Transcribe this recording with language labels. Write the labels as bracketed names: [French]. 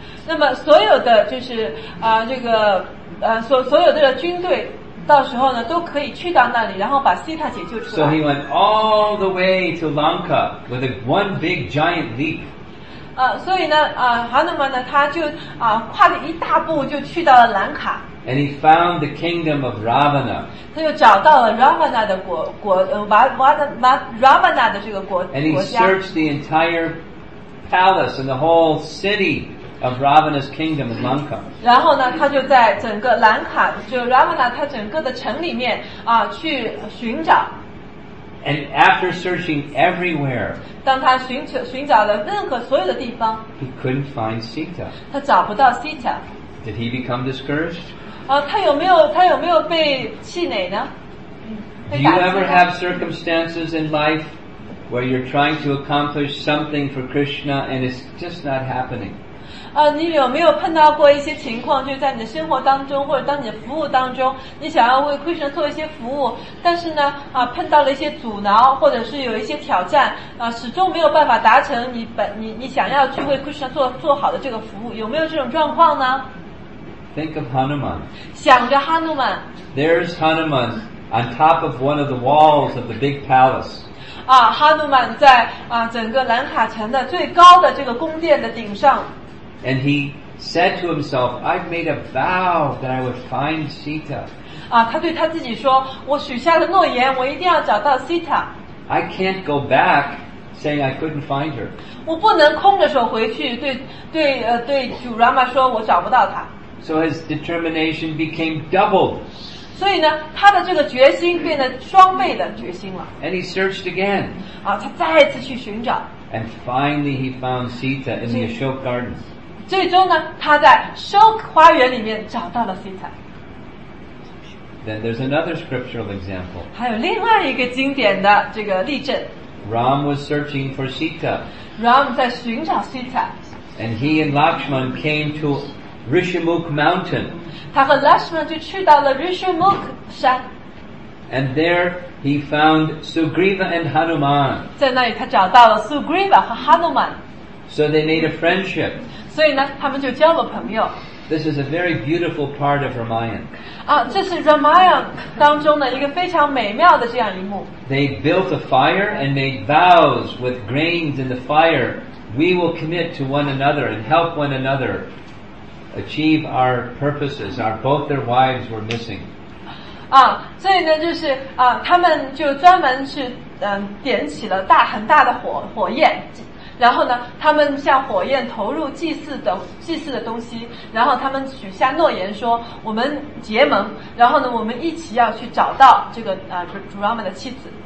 [Chinese] 那么所有的就是这个所有的军队到时候呢都可以去到那里，然后把 Sita 解救出来。 [English] So he went all the way to Lanka with one big giant leap. [Chinese] 所以呢Hanuman 呢他就跨了一大步就去到了兰卡。 [English] And he found the kingdom of Ravana. [Chinese] 他就找到了 Ravana 的Ravana 的这个国家。 [English] And he searched the entire palace and the whole city of Ravana's kingdom in Lanka. [Chinese] 然后呢，他就在整个兰卡，就 Ravana 他整个的城里面去寻找。 [English] And after searching everywhere, [Chinese] 当他寻找了任何所有的地方， [English] he couldn't find Sita. [Chinese] 他找不到 Sita. [English] Did he become discouraged? [Chinese] 他有没有被气馁呢？ [English] Do you ever have circumstances in life where you're trying to accomplish something for Krishna and it's just not happening? [Chinese] 你有没有碰到过一些情况，就在你的生活当中或者当你的服务当中，你想要为 Krishna 做一些服务，但是呢，碰到了一些阻挠，或者是有一些挑战，始终没有办法达成你想要去为 Krishna 做好的这个服务，有没有这种状况呢？ [English] Think of Hanuman. [Chinese] 想着 Hanuman. [English] There's Hanuman. On top of one of the walls of the big palace. [Chinese] Ah, Hanuman 在整个兰卡城的最高的这个宫殿的顶上。 [English] And he said to himself, "I've made a vow that I would find Sita." [Chinese] Ah, 他对他自己说，我许下了诺言，我一定要找到 Sita. [English] I can't go back saying I couldn't find her. [Chinese] 我不能空着手回去，对主 Rama 说我找不到她。 [English] So his determination became doubled. [Chinese] 所以呢，他的这个决心变得双倍的决心了。 [English] And he searched again. [Chinese] 他再次去寻找。 [English] And finally, he found Sita in the Ashok Garden. [Chinese] 最终呢，他在 Ashok 花园里面找到了 Sita. [English] Then there's another scriptural example. [Chinese] 还有另外一个经典的这个例证。 [English] Ram was searching for Sita. [Chinese] Ram 在寻找 Sita. [English] And he and Lakshman came to. Rishimukh Mountain. [Chinese] 他和 Lakshman 就去到了 Rishimukh 山。 [English] And there he found Sugriva and Hanuman. [Chinese] 在那里他找到了 Sugriva 和 Hanuman. [English] So they made a friendship. [Chinese] 所以呢，他们就交了朋友。 [English] This is a very beautiful part of Ramayana. [Chinese] 这是 Ramayana 当中的一个非常美妙的这样一幕。 [English] They built a fire and made vows with grains in the fire. We will commit to one another and help one another. Achieve our purposes. Our both their wives were missing. [Chinese] 所以呢，就是他们就专门去点起了很大的火焰，然后呢，他们向火焰投入祭祀的东西，然后他们许下诺言说，我们结盟，然后呢，我们一起要去找到这个主 Rama 的妻子。